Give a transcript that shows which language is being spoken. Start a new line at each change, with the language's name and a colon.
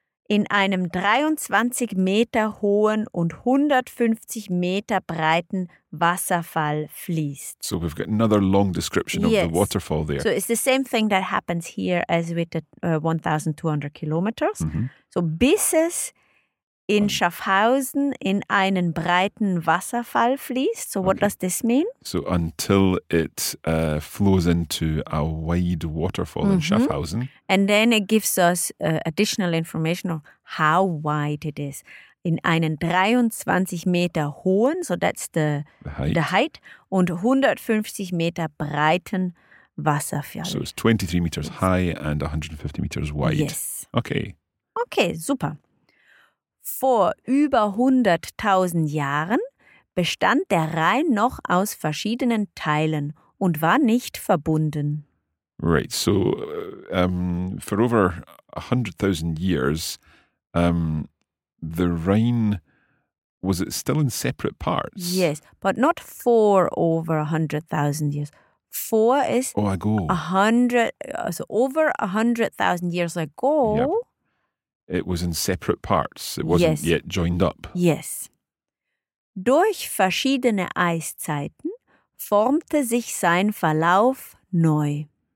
German: in einem 23 Meter hohen und 150 Meter breiten Wasserfall fließt.
English: So we've got another long description of the waterfall there. So it's the same thing that happens here as with the 1,200 kilometers. Mm-hmm.
German: So bis es in Schaffhausen in einen breiten Wasserfall fließt.
English: So what does this mean? So until it flows into a wide waterfall in Schaffhausen. And then it gives us additional information of how wide it is.
German: In einen 23 Meter hohen,
English: so that's the height,
German: und 150 Meter breiten Wasserfall.
English: So it's 23 meters high and 150 meters wide. Yes. Okay. Okay, super.
German: Vor über 100.000 Jahren bestand der Rhein noch aus verschiedenen Teilen und war nicht verbunden.
English: Right, so for over 100.000 years, the Rhine, was it still in separate parts? Yes, but not for over 100.000 years. For is ago. 100, so over 100.000 years ago. Yep. It was in separate parts. It wasn't yet joined up. Yes.
German: Durch verschiedene Eiszeiten formte sich sein Verlauf neu.